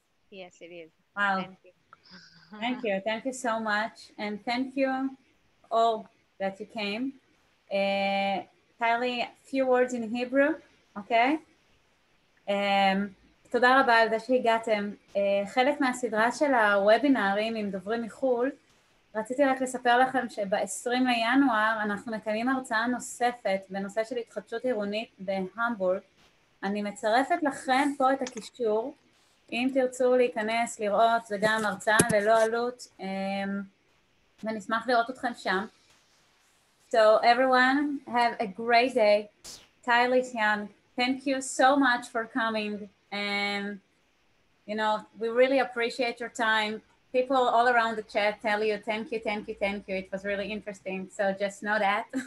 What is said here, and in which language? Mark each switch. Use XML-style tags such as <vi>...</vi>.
<en>Yes, it is. Wow. Thank you. Thank you so much. And thank you all that you came. Tali, a few words in Hebrew, okay?</en> <he>תודה רבה על זה שהגעתם. חלק מהסדרה של הוובינארים עם דוברים מחול, רציתי רק לספר לכם שב-20 לינואר אנחנו מקיימים הרצאה נוספת בנושא של התחדשות עירונית בהמבורג. אני מצרפת לכם פה את הקישור, אם תרצו להיכנס, לראות, זה גם הרצאה ללא עלות, ונשמח לראות אתכם שם.</he> <en>So everyone, have a great day. Tali Tian, thank you so much for coming. And, you know, we really appreciate your time. People all around the chat tell you, thank you, thank you, thank you. It was really interesting. So just know that.</en>